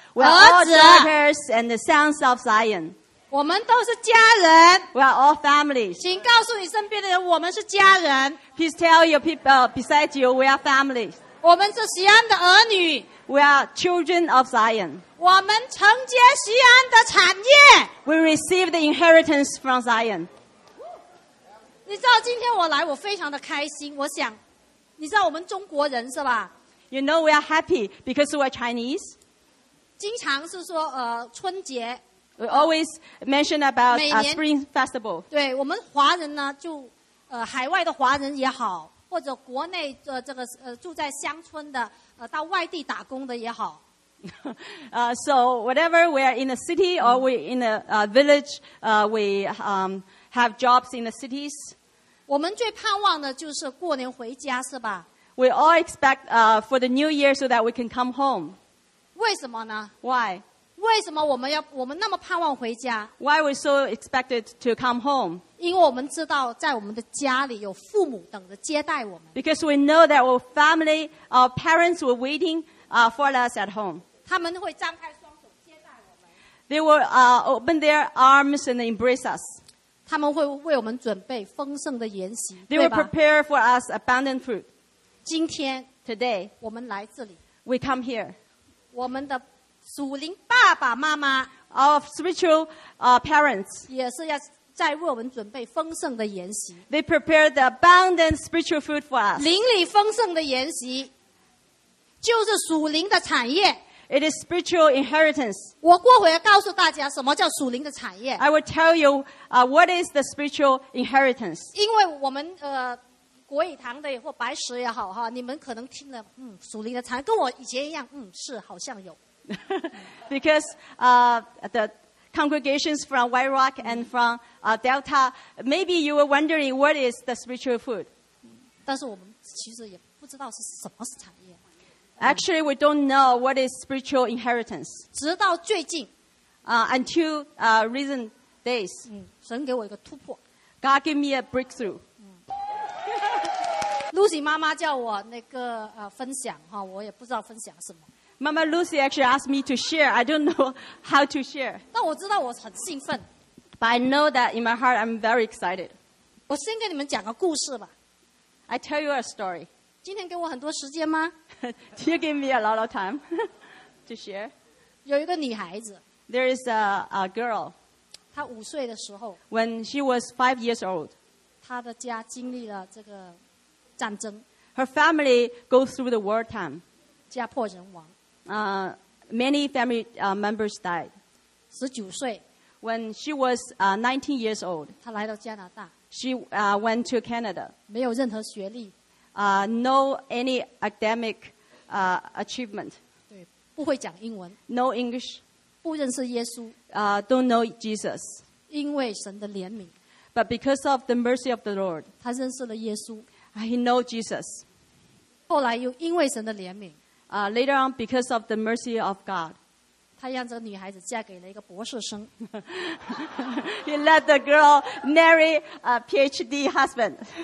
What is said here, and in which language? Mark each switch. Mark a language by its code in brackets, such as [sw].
[en] We are all daughters and the sons of Zion. [zh] 我们都是家人 [en] We are all family. [zh] 请告诉你身边的人我们是家人 [en] Please tell your people beside you we are family. [zh] 我们是锡安的儿女 [en] We are children of Zion. [zh] 我们承接锡安的产业 [en] We receive the inheritance from Zion. [zh] 你知道今天我来我非常的开心我想你知道我们中国人是吧 [en] You know we are happy because we are Chinese. [zh] 经常是说春节。 [en] We always mention about a spring festival. [zh] 对我们华人呢就海外的华人也好或者国内这个住在乡村的到外地打工的也好。 [en] So whatever we are in a city or we in a village, we have jobs in the cities. [zh] 我们最盼望的就是过年回家是吧 [en] We all expect for the new year so that we can come home. [zh] 为什么呢? [en] Why? [zh] 为什么我们那么盼望回家? [en] Why we so expected to come home? [zh] 因为我们知道在我们的家里有父母等着接待我们。 [en] Because we know that our family, our parents were waiting for us at home. [zh] 他们会张开双手接待我们。 [en] They will open their arms and embrace us. [zh] 他们会为我们准备丰盛的筵席。 [en] They will prepare for us abundant food. [zh] 今天 [en] today, [zh] 我们来这里 [en] we come here. [zh] 我们的属灵爸爸妈妈 [en] our spiritual parents, [zh] 也是要在为我们准备丰盛的筵席 [en] they prepare the abundant spiritual food for us. [zh] 灵里丰盛的筵席就是属灵的产业 [en] it is spiritual inheritance. [zh] 我过会要告诉大家什么叫属灵的产业 [en] I will tell you what is the spiritual inheritance. [zh] 因为我们国语堂的或白石也好你们可能听了属灵的禅跟我以前一样是好像有。 [en] Because, the congregations from White Rock and from, Delta, maybe you were wondering what is the spiritual food. [zh] 但是我们其实也不知道是什么是产业。 [en] Actually, we don't know what is spiritual inheritance. [zh] 直到最近。 [en] Until, recent days. [zh] 神给我一个突破。 [en] God gave me a breakthrough. [zh] Lucy 妈妈叫我那个分享哈，我也不知道分享什么。 [en] 妈妈 Lucy actually asked me to share. I don't know how to share. [zh] 但我知道我很兴奋。 [en] But I know that in my heart I'm very excited. [zh] 我先跟你们讲个故事吧。 [en] I tell you a story. [zh] 今天给我很多时间吗 [en] ？Do you give me a lot of time to share? [zh] 有一个女孩子。 [en] There is a girl. [zh] 她五岁的时候。 [en] When she was 5 years old. [zh] 她的家经历了这个。战争 [en] Her family goes through the war time. [zh] 家破人亡 [en] Many family members died. [zh] 19岁 [en] When she was 19 years old. [zh] 她来到加拿大 [en] She went to Canada. [zh] 没有任何学历 [en] No any academic achievement. [zh] 对，不会讲英文。 [en] No English. [zh] 不认识耶稣。 [en] Don't know Jesus. [zh] 因为神的怜悯。 [en] But because of the mercy of the Lord. [zh] 他认识了耶稣。 [en] He know Jesus. [zh] 后来又因为神的怜悯。 [en] Later on, because of the mercy of God. [zh] 他让这个女孩子嫁给了一个博士生。 [en] He let the girl marry a PhD husband.